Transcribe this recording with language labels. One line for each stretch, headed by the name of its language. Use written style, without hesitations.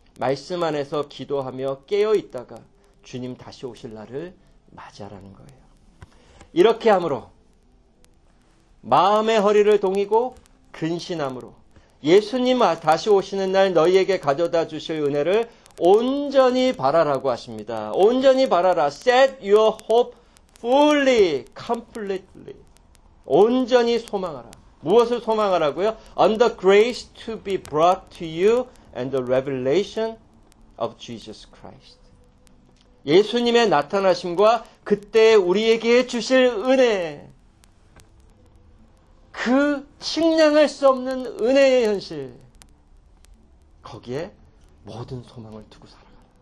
Korean: 말씀 안에서 기도하며 깨어있다가 주님 다시 오실 날을 맞이하라는 거예요. 이렇게 함으로 마음의 허리를 동이고 근신함으로 예수님 다시 오시는 날 너희에게 가져다 주실 은혜를 온전히 바라라고 하십니다. 온전히 바라라.
English: Set your hope fully, completely.
Korean: 온전히 소망하라. 무엇을 소망하라고요?
English: On the grace to be brought to you and the revelation of Jesus Christ.
Korean: 예수님의 나타나심과 그때 우리에게 주실 은혜. 그 측량할 수 없는 은혜의 현실. 거기에 모든 소망을 두고 살아가라.